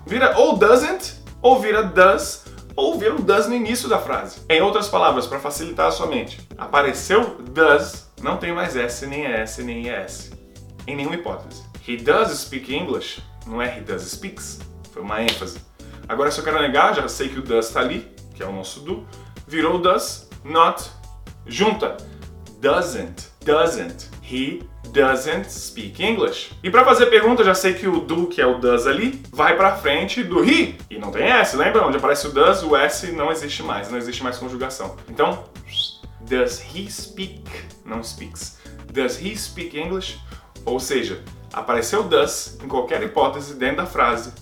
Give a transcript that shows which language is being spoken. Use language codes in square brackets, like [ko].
[pt] Vira ou doesn't, ou vira does, ou vira o does no início da frase. Em outras palavras, para facilitar a sua mente, apareceu does, não tem mais s, nem es, nem es. Em nenhuma hipótese. [en] He does speak English, [pt] não é [en] he does speaks. [pt] Foi uma ênfase. Agora, se eu quero negar, já sei que o does está ali, que é o nosso do. Virou does, not, junta, doesn't, [en] he doesn't speak English. [pt] E pra fazer pergunta, já sei que o do, que é o does ali, vai pra frente do he. E não tem s, lembra? Onde aparece o does, o s não existe mais conjugação. Então, does he speak, não speaks, [en] does he speak English? [pt] Ou seja, apareceu does em qualquer hipótese dentro da frase.